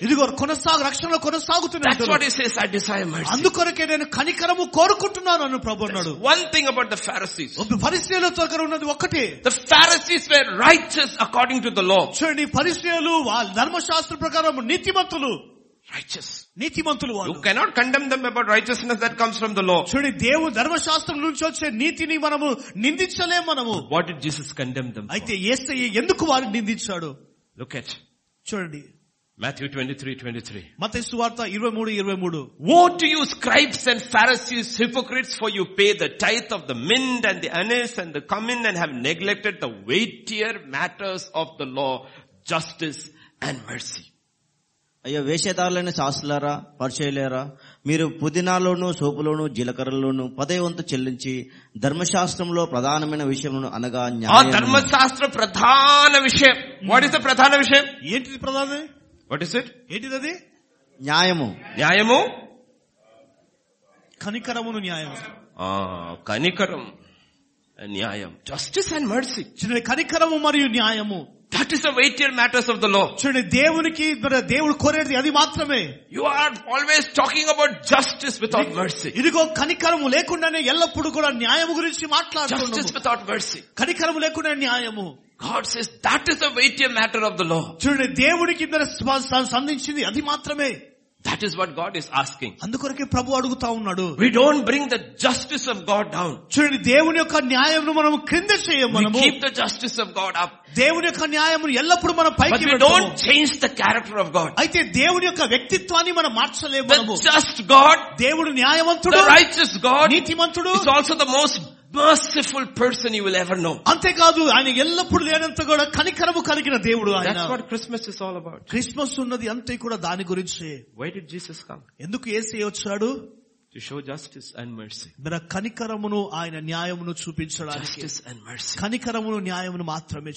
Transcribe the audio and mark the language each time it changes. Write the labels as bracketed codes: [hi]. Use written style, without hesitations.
[te] ఇదిగో కొనసాగు, రక్షణలో కొనసాగుతున్నారు. [en] That's what he says. I desire mercy. [te] అందుకొరకే నేను కనికరము కోరుకుంటున్నాను అన్న ప్రభు అన్నాడు. [en] One thing about the Pharisees. [te] ఒక ఫరిసేయుల దగ్గర ఉన్నది ఒకటి. [en] The Pharisees were righteous according to the law. [te] చూడండి ఫరిసేయులు వాళ్ళ ధర్మశాస్త్ర ప్రకారం నీతిమంతులు. [en] Righteous. [te] నీతిమంతులు. [en] You cannot condemn them about righteousness that comes from the law. [te] చూడండి దేవు ధర్మశాస్త్రం నుంచి వచ్చే నీతిని మనము నిందించలేము మనము. [en] What did Jesus condemn them? [te] అయితే యేసయ్య ఎందుకు వారిని నిందించాడు? [en] Look at. [te] చూడండి. [en] Matthew 23:23. [te] మత్తయి సువార్త 23:23. [en] Woe to you scribes and Pharisees hypocrites, for you pay the tithe of the mint and the anise and the cumin and have neglected the weightier matters of the law, justice and mercy. [te] అయ్యో వేషధారులైన శాస్త్రులారా, పరిచయులారా, మీరు పుదీనాలోనూ సోపులోను జీలకర్రలోనూ పదే వంతు చెల్లించి ధర్మశాస్త్రంలో ప్రధానమైన విషయంలో అనగా న్యాయ ధర్మశాస్త్ర ప్రధాన విషయం. [en] what is the [te] ప్రధాన విషయం? ఏంటిది ప్రధాన? [en] What is it? [te] ఏంటిది అది? న్యాయము. న్యాయము కనికరమును. న్యాయము కనికరం, న్యాయం, [en] Justice and mercy. [te] చిన్న కనికరము మరియు న్యాయము. [en] That is the weightier matters of the law. [te] చూడండి దేవునికి దేవుడు కోరేది అది మాత్రమే. [en] You are always talking about justice without mercy. [te] ఇదిగో కనికరము లేకుండానే ఎల్లప్పుడూ కూడా న్యాయం గురించి మాట్లాడుతున్నాము. [en] Justice without mercy. [te] కనికరము లేకుండా న్యాయము. [en] God says that is the weightier matter of the law. [te] చూడండి దేవునికి సంబంధించింది అది మాత్రమే. [en] That is what God is asking. [te] అందుకొరకు ప్రభు అడుగుతా ఉన్నాడు. [en] We don't bring the justice of God down. [te] చూడండి దేవుని యొక్క న్యాయమును మనం క్రింద చేయము. [en] We keep the justice of God up. [te] దేవుని యొక్క న్యాయమును ఎల్లప్పుడు మనం పైకి పెడతాము. [en] But we don't change the character of God. [te] అయితే దేవుని యొక్క వ్యక్తిత్వాన్ని మనం మార్చలేము. [en] The just God, [te] దేవుడు న్యాయవంతుడు. [en] The righteous God, [te] నీతిమంతుడు. [en] He's also the most merciful person you will ever know. [te] అంతే కాదు ఆయన ఎల్లప్పుడు లేనంత కూడా కనికరము కలిగిన దేవుడు ఆయన. [en] That's what Christmas is all about. [te] Christmas ఉన్నది అంతే కూడా దాని గురించి. [en] Why did Jesus come? [te] ఎందుకు యేసయ్య వచ్చాడు? [en] To show justice and mercy. [te] మన కనికరమును ఆయన న్యాయమును చూపించడానికి. [en] Justice and mercy. [te] కనికరమును న్యాయమును మాత్రమే.